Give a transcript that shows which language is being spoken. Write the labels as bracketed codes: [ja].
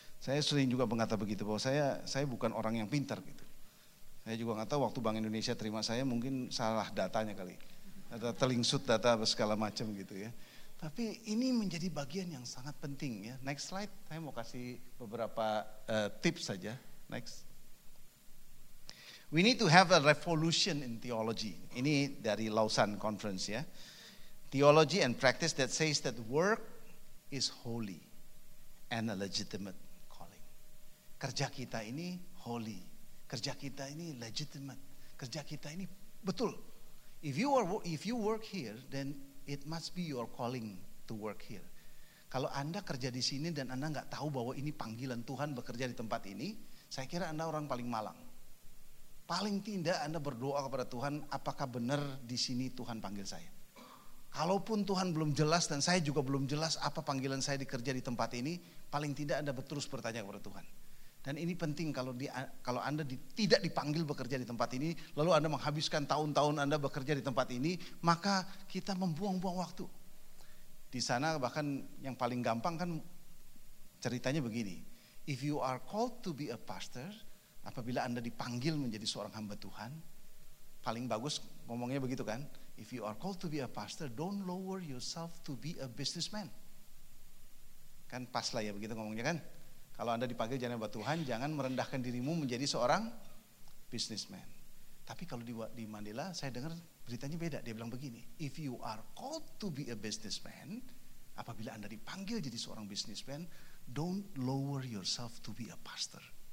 [id] Saya sering juga mengatakan begitu bahwa saya bukan orang yang pintar gitu. Saya juga gak tahu waktu Bank Indonesia terima saya mungkin salah datanya kali. Ada telingsut data segala macam gitu ya. Tapi ini menjadi bagian yang sangat penting ya. [en] Next slide, [id] saya mau kasih beberapa tips saja. Next. [en] We need to have a revolution in theology. [id] Ini dari Lausanne Conference ya. [en] Theology and practice that says that work is holy and a legitimate. [id] Kerja kita ini holy, kerja kita ini legitimate, kerja kita ini betul. [en] If you work here, then it must be your calling to work here. [id] Kalau Anda kerja di sini dan Anda nggak tahu bahwa ini panggilan Tuhan bekerja di tempat ini, saya kira Anda orang paling malang. Paling tidak Anda berdoa kepada Tuhan, apakah benar di sini Tuhan panggil saya? Kalaupun Tuhan belum jelas dan saya juga belum jelas apa panggilan saya dikerja di tempat ini, paling tidak Anda terus bertanya kepada Tuhan. Dan ini penting kalau Anda tidak dipanggil bekerja di tempat ini, lalu Anda menghabiskan tahun-tahun Anda bekerja di tempat ini, maka kita membuang-buang waktu. di sana bahkan yang paling gampang kan ceritanya begini. [en] If you are called to be a pastor, [id] apabila Anda dipanggil menjadi seorang hamba Tuhan, paling bagus ngomongnya begitu kan. [en] If you are called to be a pastor, don't lower yourself to be a businessman. [id] Kan pas lah ya begitu ngomongnya kan. Kalau Anda dipanggil jadi hamba Tuhan, jangan merendahkan dirimu menjadi seorang businessman. Tapi kalau di Mandela, saya dengar beritanya beda. Dia bilang begini, [en] if you are called to be a businessman, [id] apabila Anda dipanggil jadi seorang businessman, [en] don't lower yourself to be a pastor.